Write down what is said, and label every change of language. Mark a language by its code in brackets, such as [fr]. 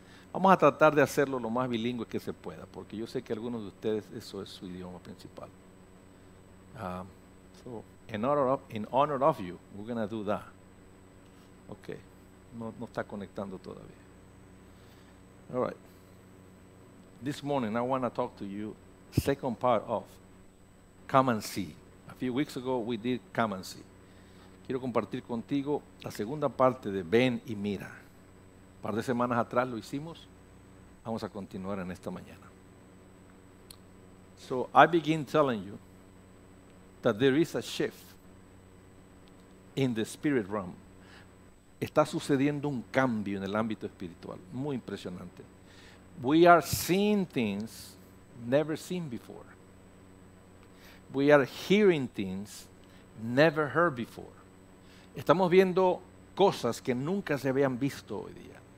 [es] Vamos a tratar de hacerlo lo más bilingüe que se pueda, porque yo sé que algunos de ustedes eso es su idioma principal. [en] So in honor of you, we're going to do that. Okay. [es] No está conectando todavía. [en] All right. This morning I want to talk to you second part of Come and See. A few weeks ago we did Come and See. [es] Quiero compartir contigo la segunda parte de Ven y Mira. Un par de semanas atrás lo hicimos. Vamos a continuar en esta mañana. [en] So I begin telling you that there is a shift in the spirit realm. [es] Está sucediendo un cambio en el ámbito espiritual. Muy impresionante. [en] We are seeing things never seen before. We are hearing things never heard before. [es] Estamos viendo cosas que nunca se habían visto hoy día.